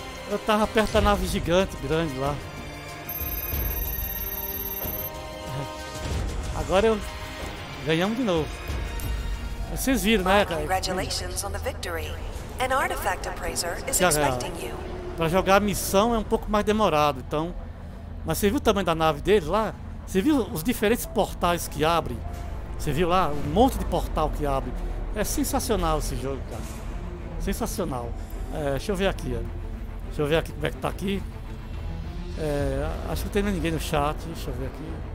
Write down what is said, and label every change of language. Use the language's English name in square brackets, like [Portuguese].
[Portuguese] Eu tava perto da nave gigante grande lá. Agora eu ganhamos de novo. Vocês viram, né, cara? [English] Congratulations on the victory. An artifact appraiser is expecting you. [Portuguese] Pra jogar a missão é um pouco mais demorado, então... Mas você viu o tamanho da nave dele lá? Você viu os diferentes portais que abre? Você viu lá um monte de portal que abre? É sensacional esse jogo, cara. Sensacional. É, deixa eu ver aqui. Deixa eu ver aqui como é que tá aqui. É, acho que não tem ninguém no chat. Deixa eu ver aqui.